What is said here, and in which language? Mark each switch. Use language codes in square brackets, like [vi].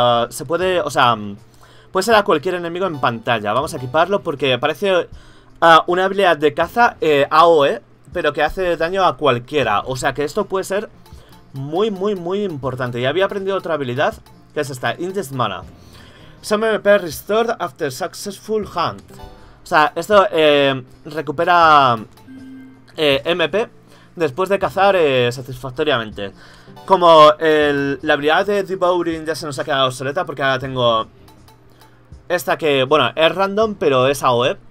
[es] Se puede, o sea, puede ser a cualquier enemigo en pantalla. Vamos a equiparlo porque parece una habilidad de caza AOE, pero que hace daño a cualquiera. O sea que esto puede ser muy, muy, muy importante. Ya había aprendido otra habilidad, que es esta, Intest Mana. [en] Some MP restored after successful hunt. [es] O sea, esto recupera MP después de cazar satisfactoriamente. Como la habilidad de Devouring ya se nos ha quedado obsoleta, porque ahora tengo esta que, bueno, es random, pero es AOE.